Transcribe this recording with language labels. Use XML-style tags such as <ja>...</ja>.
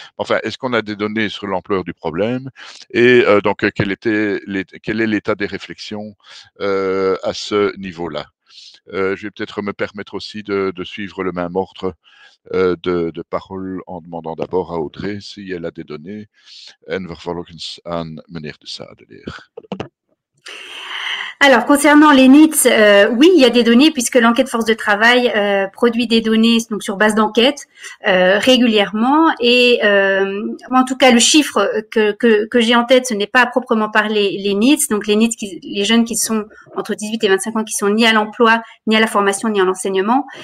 <fr>Enfin, est-ce qu'on a des données sur l'ampleur du problème et quel est l'état des réflexions à ce niveau-là? Je vais peut-être me permettre aussi de suivre le même ordre de parole en demandant d'abord à Audrey si elle a des données.</fr> <nl>En vervolgens aan meneer de Sadeleer.</nl> <fr>Alors, concernant les NITS, oui, il y a des données puisque l'enquête force de travail produit des données donc sur base d'enquête régulièrement. Et en tout cas, le chiffre que j'ai en tête, ce n'est pas à proprement parler les NITS. Donc, les NITS, les jeunes qui sont entre 18 et 25 ans, qui sont ni à l'emploi, ni à la formation, ni à l'enseignement.</fr>